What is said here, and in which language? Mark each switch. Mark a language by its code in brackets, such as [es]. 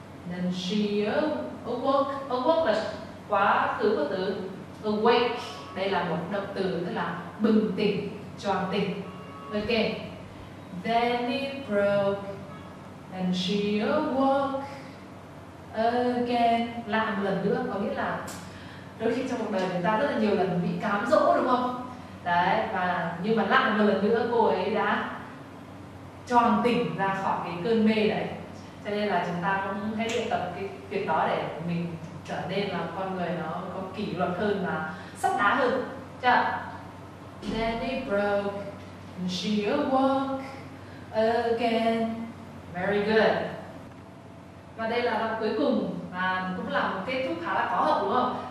[en] Then she awoke [vi] là quá khứ của từ awake. Đây là một động từ, tức là bừng tỉnh, choàng tỉnh. [en] Ok, then it broke and she awoke again. [vi] Lại một lần nữa, có nghĩa là đôi khi trong cuộc đời chúng ta rất là nhiều lần bị cám dỗ đúng không? Đấy, và nhưng mà lại một lần nữa cô ấy đã tròn tỉnh ra khỏi cái cơn mê đấy. Cho nên là chúng ta cũng hãy luyện tập cái việc đó để mình trở nên là con người nó có kỷ luật hơn và sắt đá hơn. Chưa? [en] Nanny broke and she awoke again. Very good. [vi] Và đây là đoạn cuối cùng và cũng là một kết thúc khá là khó hợp đúng không?